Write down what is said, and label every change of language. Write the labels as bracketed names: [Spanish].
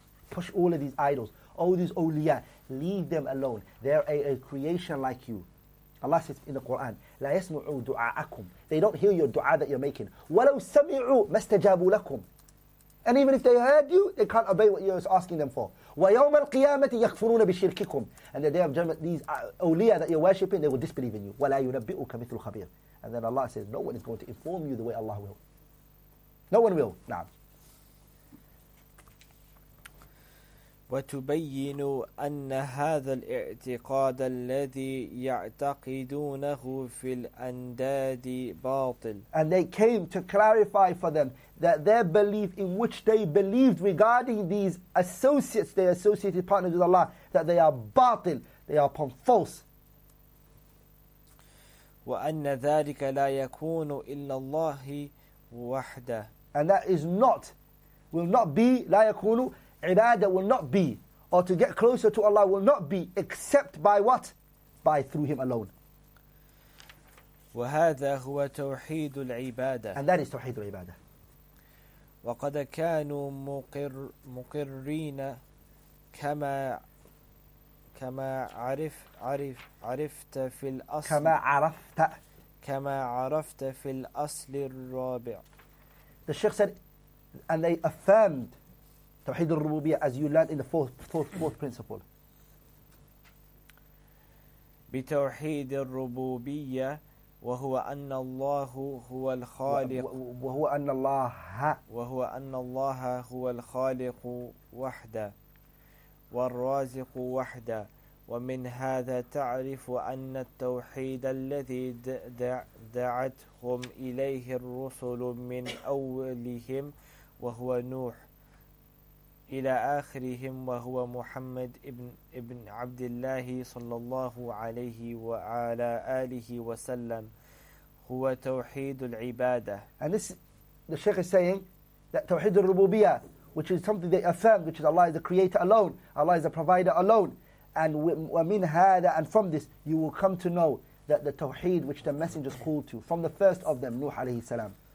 [English] Push all of these idols, all these awliya, leave them alone. They're a creation like you. Allah says in the Quran, [Arabic] لا يسمعوا دعاءكم. [English] They don't hear your dua that you're making. [Arabic] ولو سمعوا ما استجابوا لكم. [English] And even if they heard you, they can't obey what you're asking them for. [Arabic] ويوم القيامة يكفرون بشرككم. [English] And the day of judgment, these awliya that you're worshipping, they will disbelieve in you. [Arabic] ولا ينبئك مثل خبير. [English] And then Allah says, no one is going to inform you the way Allah will. No one will. نعم. [Arabic] وتبين أن هذا الاعتقاد الذي يعتقدونه في الأنداد باطل. [English] And they came to clarify for them that their belief in which they believed regarding these associates, their associated partners with Allah, that they are باطل, they are upon false. [Arabic] وأن ذلك لا يكون إلا الله وحده. [English] And that is not, will not be, [Arabic] لا يكون. [English] Ibadah will not be, or to get closer to Allah will not be, except by what? By through Him alone. [Arabic] وهذا هو توحيد العبادة. [English] And that is توحيد العبادة. [Arabic] وقد كانوا مقرين كما عرفت في الأصل. كما عرفت في الأصل الرابع. [English] The Sheikh said, and they affirmed توحيد الربوبية as you learned in the fourth principle. [Arabic] بتوحيد الربوبية وهو أن الله هو الخالق وهو أن الله هو الخالق وحده والرازق وحده ومن هذا تعرف أن التوحيد الذي دعتهم إليه الرسل من أولهم وهو نوح إلى آخرهم وهو محمد ابن عبد الله صلى الله عليه وعلى آله وسلم هو توحيد العبادة. [English] And this, the Sheikh is saying that توحيد الربوبية, which is something they affirmed, which is Allah is the creator alone, Allah is the provider alone, and ومن هذا, and from this you will come to know that the توحيد which the messengers called to from the first of them, Nuh عليه السلام.